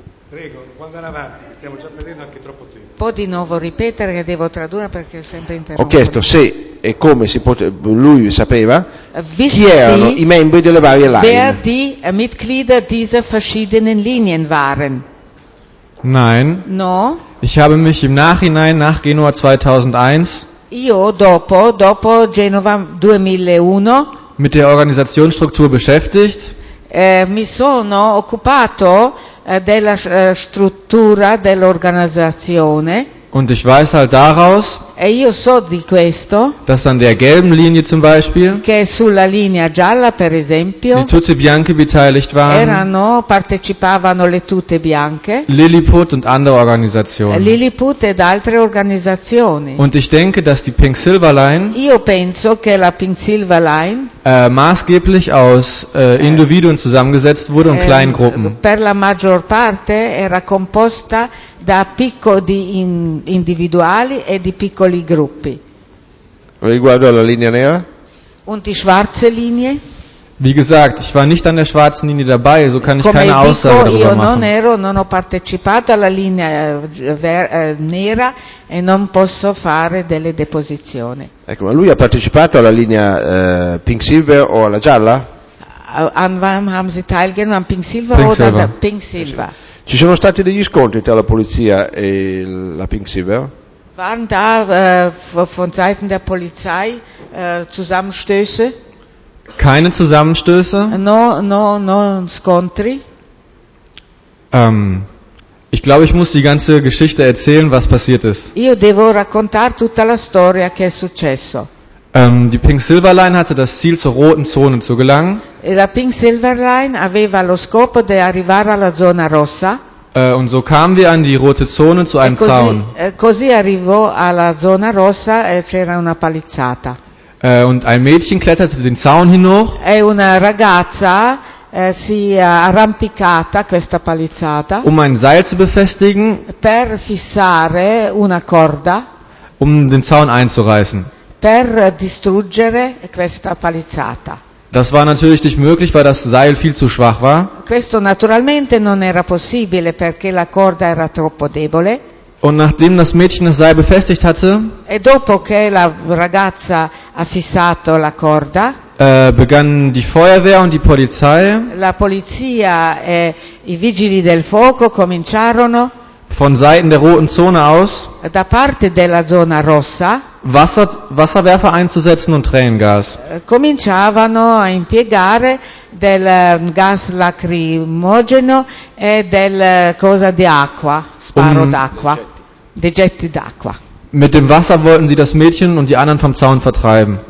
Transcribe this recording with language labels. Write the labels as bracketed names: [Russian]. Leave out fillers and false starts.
[Italian] Prego, quando andare avanti, stiamo già perdendo anche troppo tempo. Può di nuovo ripetere che devo tradurre perché è sempre interrotto. Ho chiesto se e come si poteva, lui sapeva chi erano i membri delle varie line. [German] Wer die Mitglieder dieser verschiedenen Linien waren? Nein. [Italian] No. [German] Ich habe mich im Nachhinein nach Genua 2001 [Italian] Io dopo Genova 2001 [German] mit der Organisationsstruktur beschäftigt. [Italian] Mi sono occupato della struttura dell'organizzazione. [German] Und ich weiß halt daraus, [Italian] e io so di questo, [German] dass an der gelben Linie zum Beispiel, [Italian] che sulla linea gialla, per esempio, [German] die tutte bianche beteiligt waren, [Italian] erano, partecipavano le tutte bianche, [German] Lilliput und andere Organisationen. [Italian] Lilliput ed altre organizzazioni. [German] Und ich denke, dass die Pink Silver Line, [Italian] io penso che la Pink Silver Line, [German] maßgeblich aus Individuen zusammengesetzt wurde und Kleingruppen. [Italian] Per la maggior parte era composta da piccoli individuali e di piccoli gruppi. Riguardo alla linea nera? [German] Und die schwarze Linie? Wie gesagt, ich war nicht an der schwarzen Linie dabei, so kann ich keine Aussage darüber machen. [Italian] Io non ho partecipato alla linea nera e non posso fare delle deposizioni. Ecco, ma lui ha partecipato alla linea Pink Silver o alla gialla? [German] An wem haben Sie teilgenommen? An Pink Silver oder an Pink Silver? [Italian] Ci sono stati degli scontri tra la polizia e la Pink Silver? [German] Waren da von Seiten der Polizei Zusammenstöße? Keine Zusammenstöße? [Italian] No scontri. [German] Ich glaube, ich muss die ganze Geschichte erzählen, was passiert ist. [Italian] Io devo raccontare tutta la storia che è successo. [German] Die Pink Silver Line hatte das Ziel, zur roten Zone zu gelangen. [Italian] La Pink Silver Line aveva lo scopo di arrivare alla zona rossa. [German] Und so kamen wir an die rote Zone zu einem Zaun. [Italian] Così arrivò alla zona rossa e c'era una palizzata. [German] Und ein Mädchen kletterte den Zaun hinauf. [Italian] E una ragazza si è arrampicata questa palizzata. [German] Um ein Seil zu befestigen. [Italian] Per fissare una corda. [German] Um den Zaun einzureißen. [Italian] Per distruggere questa palizzata. [German] Das war natürlich nicht möglich, weil das Seil viel zu schwach war. [Italian] Questo naturalmente non era possibile perché la corda era troppo debole. [German] Und nachdem das Mädchen das Seil befestigt hatte, [Italian] e dopo che la ragazza ha fissato la corda, [German] begann die Feuerwehr und die Polizei, [Italian] la polizia e i vigili del fuoco cominciarono, [German] von Seiten der roten Zone aus, [Italian] da parte della zona rossa, [German] Wasserwerfer einzusetzen und Tränengas. [Italian] Cominciavano a impiegare del gas lacrimogeno e del cosa di acqua, sparo d'acqua, degetti d'acqua. [German] Mit dem Wasser wollten sie das Mädchen und die anderen vom Zaun vertreiben.